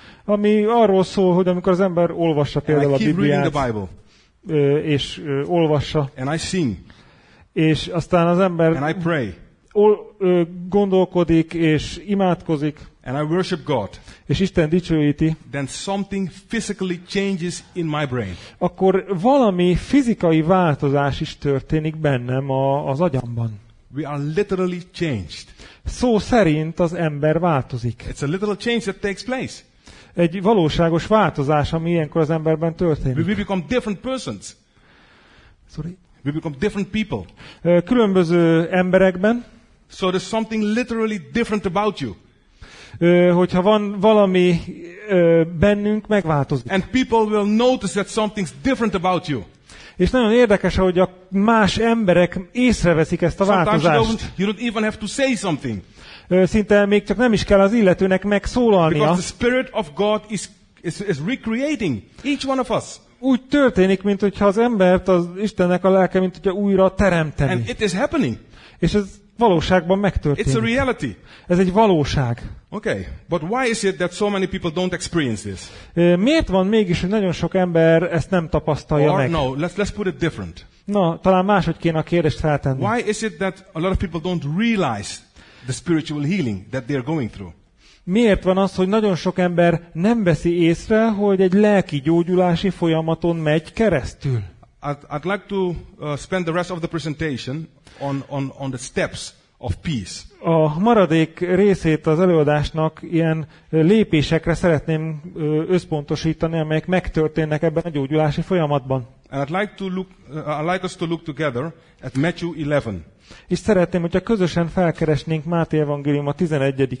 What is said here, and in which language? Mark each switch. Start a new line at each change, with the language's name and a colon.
Hungarian: ami arról szól, hogy amikor az ember olvassa például a Bibliát,
English: Bible,
Hungarian: és olvassa,
English: and I sing,
Hungarian: és aztán az ember
English: and I pray,
Hungarian: gondolkodik és imádkozik,
English: and I worship God,
Hungarian: és Isten dicsőíti,
English: then something physically changes in my brain.
Hungarian: Akkor valami fizikai változás is történik bennem az agyamban.
English: We are literally changed.
Hungarian: Szó szerint az ember változik.
English: It's a literal change that takes place.
Hungarian: Egy valóságos változás, ami ilyenkor az emberben történik.
English: We become different persons. Sorry. We become different people.
Hungarian: Különböző emberekben.
English: So there's something literally different about you.
Hungarian: Hogyha van valami bennünk, megváltozik.
English: And people will notice that something's different about you.
Hungarian: És nagyon érdekes, hogy a más emberek észreveszik ezt a változást.
English: Sometimes you don't even have to say something.
Hungarian: Szinte még csak nem is kell az illetőnek megszólalnia.
English: Because the Spirit of God is recreating each one of us.
Hungarian: Úgy történik, mint hogyha az embert az Istennek a lelke, mint hogyha újra teremteni.
English: And it is happening.
Hungarian: És ez valóságban megtörténik.
English: It's a reality.
Hungarian: Ez egy valóság.
English: Okay, but why is it that so many people don't experience this?
Hungarian: Miért van mégis, hogy nagyon sok ember ezt nem tapasztalja
English: or,
Hungarian: meg?
English: No, let's put it different.
Hungarian: No, talán máshogy kéne a kérdést feltenni.
English: Why is it that a lot of people don't realize the spiritual healing that they're going through?
Hungarian: Miért van az, hogy nagyon sok ember nem veszi észre, hogy egy lelki gyógyulási folyamaton megy keresztül?
English: I'd like to spend the rest of the presentation on the steps of peace.
Hungarian: A maradék részét az előadásnak ilyen lépésekre szeretném összpontosítani, amelyek megtörténnek ebben a gyógyulási folyamatban.
English: And I'd like us to look together at Matthew 11.
Hungarian: És szeretném, hogyha közösen felkeresnénk Máté evangélium a 11.